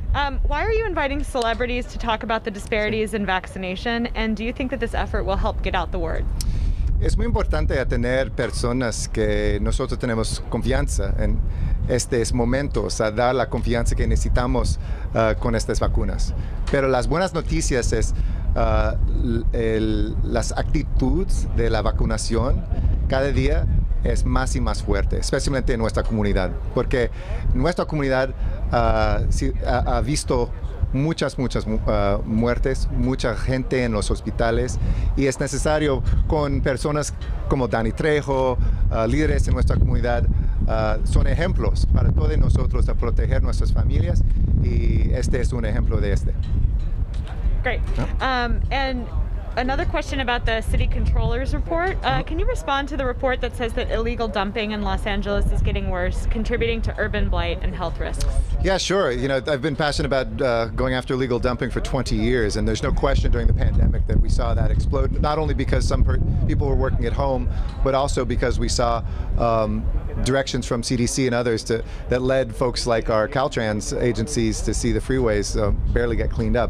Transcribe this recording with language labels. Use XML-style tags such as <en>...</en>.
<en>Why are you inviting celebrities to talk about the disparities in vaccination, and do you think that this effort will help get out the word?</en> <es>Es muy importante tener personas que nosotros tenemos confianza en estos momentos, a dar la confianza que necesitamos con estas vacunas. Pero las buenas noticias es las actitudes de la vacunación cada día es más y más fuerte, especialmente en nuestra comunidad, porque nuestra comunidad ha visto muchas muertes, mucha gente en los hospitales, y es necesario con personas como Danny Trejo, líderes en nuestra comunidad, son ejemplos para todos nosotros de proteger nuestras familias, y este es un ejemplo de este.</es> <en>Great. ¿No? And another question about the city controller's report. Can you respond to the report that says that illegal dumping in Los Angeles is getting worse, contributing to urban blight and health risks? Yeah, sure. You know, I've been passionate about going after illegal dumping for 20 years, and there's no question during the pandemic that we saw that explode, not only because some people were working at home, but also because we saw directions from CDC and others that led folks like our Caltrans agencies to see the freeways barely get cleaned up.</en>